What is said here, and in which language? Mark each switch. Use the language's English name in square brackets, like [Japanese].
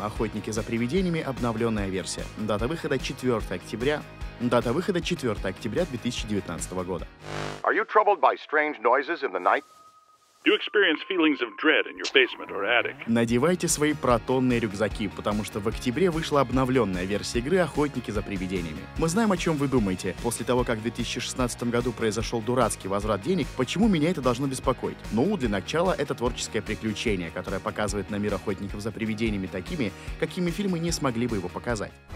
[Russian] Охотники за привидениями. Обновленная версия. Дата выхода 4 октября. Дата выхода 4 октября 2019 года. [English] Are you troubled by strange noises in the night? You experience feelings of dread in your basement or attic. [Russian] Надевайте свои протонные рюкзаки, потому что в октябре вышла обновленная версия игры «Охотники за привидениями». Мы знаем, о чем вы думаете. После того, как в 2016 году произошел дурацкий возврат денег, почему меня это должно беспокоить? Ну, для начала, это творческое приключение, которое показывает на мир охотников за привидениями такими, какими фильмы не смогли бы его показать.